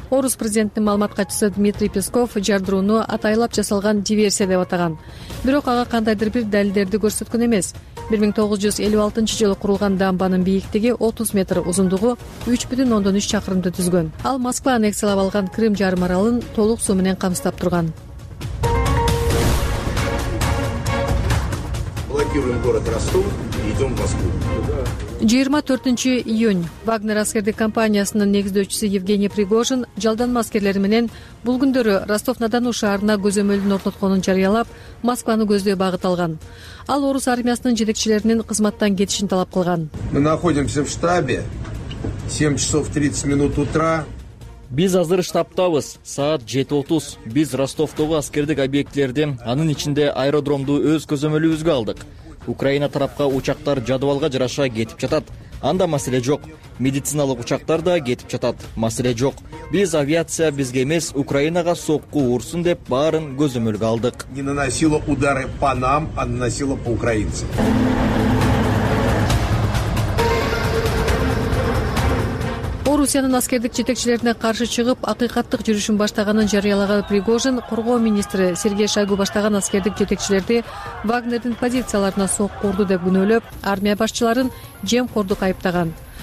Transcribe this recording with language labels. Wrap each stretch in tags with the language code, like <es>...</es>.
<ky>Орус президентинин маалымат катчысы Дмитрий Песков жардырууну атайылап жасалган диверсия деп атаган. Бирок ага кандайдыр бир далилдерди көрсөткөн эмес. 1956 жылы курулган дамбанын бийиктиги 30 метр, узундугу 3,3 чакырымды түзгөн. Ал Москва аннексиялап алган Крым жарым аралын толук суу менен камсыздап турган.</ky> <ru>Блокируем город Ростов, идем в Москву.</ru> <ky>24 июнь. Вагнер аскердик компаниясынын негиздөөчүсү Евгений Пригожин жалданма аскерлери менен бул күндөрү Ростов-на-Дону шаарына көзөмөлдүн орнотконун жарыялап, Москваны көздөй багыт алган. Ал орус армиясынын жетекчилеринин кызматтан кетишин талап кылган.</ky> <ru>Мы находимся в штабе. 7:30 утра.</ru> <ky>Биз азыр штабтабыз. Саат 7:30. Биз Ростовдогу аскердик объектилерди, анын ичинде аэродромду өз көзөмөлүбүзгө алдык. Украина тарапка учактар жадыбалга жараша кетип жатат. Анда маселе жок. Медициналык учактар да кетип жатат. Маселе жок. Биз авиация бизге эмес, Украинага сокку урсун деп баарын көзөмөлгө алдык.</ky> <ru>Не наносило удары по нам, а наносило по украинцам.</ru> <ky>Орусиянын аскердик жетекчилерине каршы чыгып, акыйкаттык жүрүшүн баштаганын жарыялаган Пригожин, коргоо министри Сергей Шойгу баштаган аскердик жетекчилерди Вагнердин позицияларына сокку урду деп күнөөлөп, армия башчыларын жемкордук айыптаган.</ky>